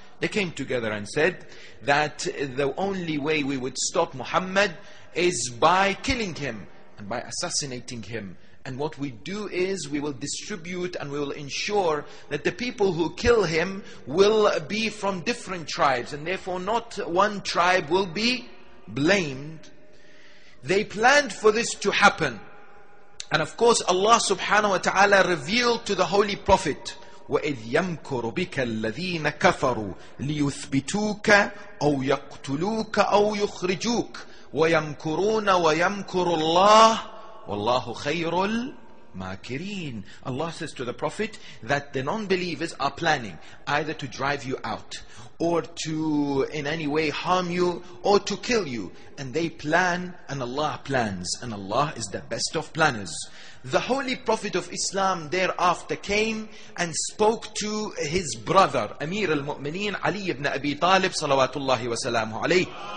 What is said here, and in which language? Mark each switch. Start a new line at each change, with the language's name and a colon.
English: They came together and said that the only way we would stop Muhammad is by killing him and by assassinating him. And what we do is we will distribute and we will ensure that the people who kill him will be from different tribes, and therefore not one tribe will be blamed. They planned for this to happen. And of course Allah subhanahu wa ta'ala revealed to the Holy Prophet,
Arabic: وَإِذْ يَمْكُرُ بِكَ الَّذِينَ كَفَرُوا لِيُثْبِتُوكَ أَوْ يَقْتُلُوكَ أَوْ يُخْرِجُوكَ وَيَمْكُرُونَ وَيَمْكُرُ اللَّهُ وَاللَّهُ خَيْرُ الْمَاكِرِينَ.
English: Allah says to the Prophet that the non-believers are planning either to drive you out or to in any way harm you or to kill you. And they plan and Allah plans, and Allah is the best of planners. The Holy Prophet of Islam thereafter came and spoke to his brother, Amir al-Mu'mineen Ali ibn Abi Talib salawatullahi wa salamu alayhi.